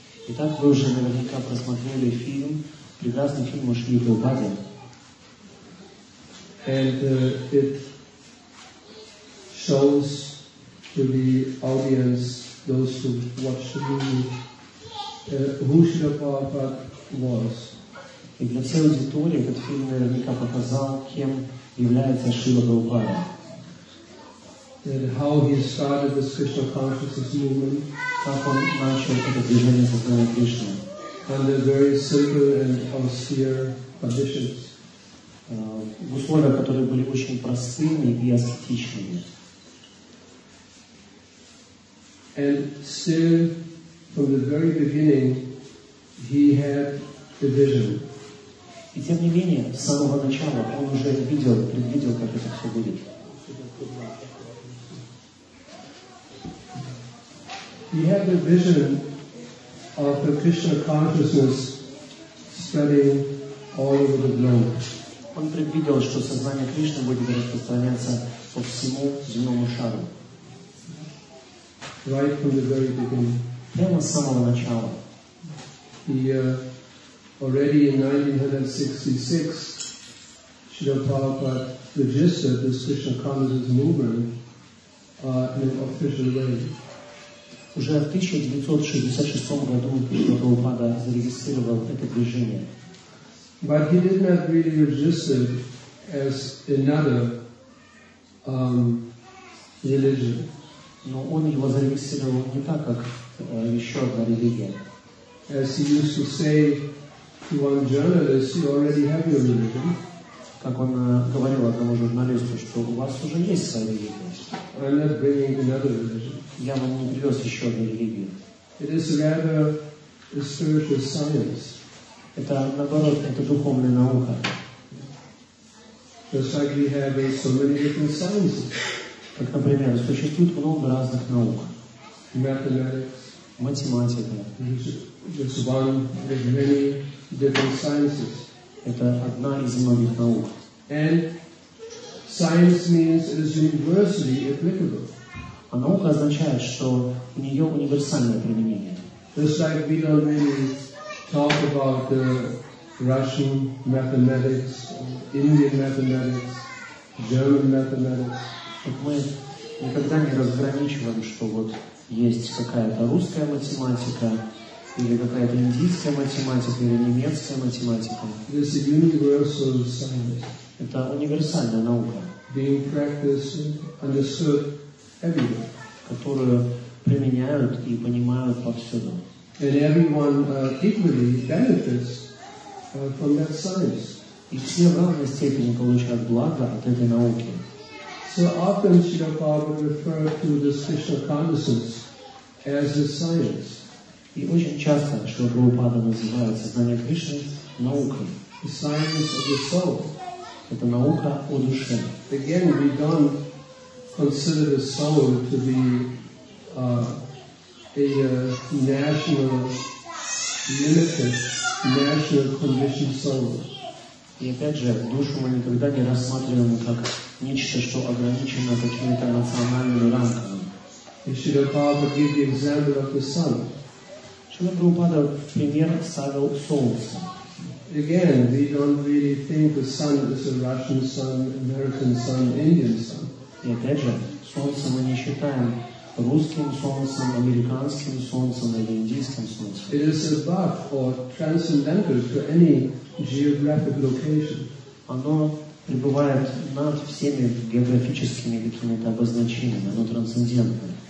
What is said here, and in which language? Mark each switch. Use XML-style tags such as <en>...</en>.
<ru>И так вы уже наверняка просмотрели фильм, прекрасный фильм о Шриле Прабхупаде.</ru> <en>And it shows to the audience, those who watch the movie, who Srila Prabhupada was.</en> <ru>И для всей аудитории этот фильм наверняка показал, кем является Шрила Прабхупада.</ru> <en>And how he started this Krishna consciousness movement. Under very simple and austere conditions.</en> <ru>В условиях, которые были очень простыми и аскетичными.</ru> <en>And still, from the very beginning, he had the vision.</en> <ru>И тем не менее, с самого начала он уже видел, предвидел, как это все будет.</ru> <en>He had a vision of the Krishna consciousness spreading all over the globe.</en> <ru>Он предвидел, что сознание Кришны будет распространяться по всему земному шару.</ru> <en>Right from the very beginning.</en> <ru>Прямо с самого начала.</ru> <en>Already in 1966, Srila Prabhupada registered this Krishna consciousness movement in an official way.</en> <ru>Уже в 1966 году Шрила Прабхупада зарегистрировал это движение.</ru> <en>But he did not really register as another religion.</en> <ru>Но он его зарегистрировал не так, как еще одна религия.</ru> <en>As he used to say to one journalist, you already have your religion.</en> <ru>Как он говорил одному журналисту, что у вас уже есть своя религия.</ru> <en>I'm not bringing another religion.</en> <ru>Я вам не привез еще одну религию.</ru> <en>It is rather a spiritual science.</en> <ru>Это наоборот, это духовная наука.</ru> <en>Just like we have so many different sciences.</en> <ru>Как, например, существует много разных наук.</ru> <en>Mathematics.</en> <ru>Математика.</ru> <en>It's one of many different sciences.</en> <ru>Это одна из многих наук.</ru> <en>And science means it is universally applicable.</en> <ru>А наука означает, что у нее универсальное применение.</ru> <en>Just like we don't really talk about the Russian mathematics, Indian mathematics, German mathematics.</en> <ru>Так мы никогда не разграничиваем, что вот есть какая-то русская математика, или какая-то индийская математика, или немецкая математика.</ru> <en>This is universal science.</en> <ru>Это универсальная наука.</ru> <en>Being practiced, understood.</en> <ru>Которую применяют и понимают повсюду.</ru> <en>And everyone equally benefits from that science.</en> <ru>И все в равной степени получают благо от этой науки.</ru> <en>So often Srila Prabhupada referred to this Krishna consciousness as a science.</en> <ru>И очень часто Шрила Прабхупада называет сознание Кришны наукой.</ru> <en>The science of the soul.</en> <ru>Это наука о душе.</ru> <en>Again, we don't consider the soul to be a national, limited, national conditioned soul.</en> <ru>И опять же, душу мы никогда не рассматриваем как нечто, что ограничено какими-то национальными рамками.</ru> <en>Srila Prabhupada gave the example of the sun.</en> <ru>Srila Prabhupada пример ставил солнце.</ru> <en>Again, we don't really think the sun is a Russian sun, American sun, Indian sun.</en> <ru>И опять же, солнце мы не считаем русским солнцем, американским солнцем или индийским солнцем.</ru> <en>It is above or transcendental to any geographic location.</en> <ru>Оно пребывает над всеми географическими какими-то обозначениями, оно трансцендентное.</ru>